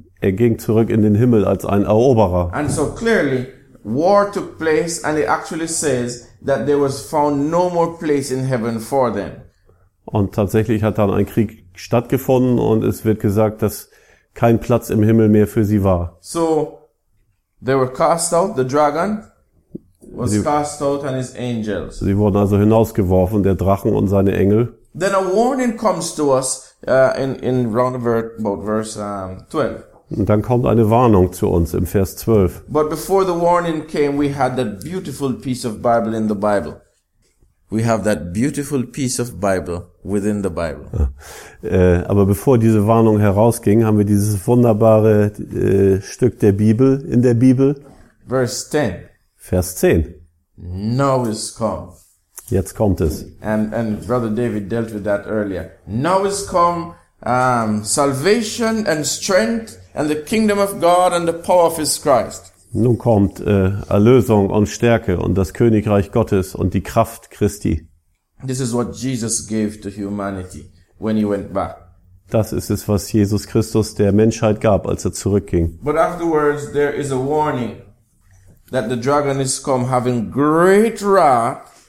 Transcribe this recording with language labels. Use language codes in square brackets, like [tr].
[de] Er ging zurück in den Himmel als ein Eroberer. [en] And so clearly, war took place, and it actually says that there was found no more place in heaven for them. [de] Und tatsächlich hat dann ein Krieg stattgefunden, und es wird gesagt, dass kein Platz im Himmel mehr für sie war. [en] So, they were cast out. The dragon was cast out, and his angels. [de] Sie wurden also hinausgeworfen, der Drachen und seine Engel. [en] Then a warning comes to us in round about verse 12. [de] Und dann kommt eine Warnung zu uns im Vers 12. [en] But before the warning came, we had that beautiful piece of Bible in the Bible. We have that beautiful piece of Bible within the Bible. [de] Aber bevor diese Warnung herausging, haben wir dieses wunderbare Stück der Bibel in der Bibel. [en] Verse 10. [de] Vers 10. [en] Now is come. [de] Jetzt kommt es. [en] And Brother David dealt with that earlier. Now is come salvation and strength and the kingdom of God and the power of his Christ. [de] Nun kommt Erlösung und Stärke und das Königreich Gottes und die Kraft Christi. [en] This is what Jesus gave to humanity when he went back. [de] Das ist es, was Jesus Christus der Menschheit gab, als er zurückging. [en] But afterwards there is a warning that the dragon is come having great wrath.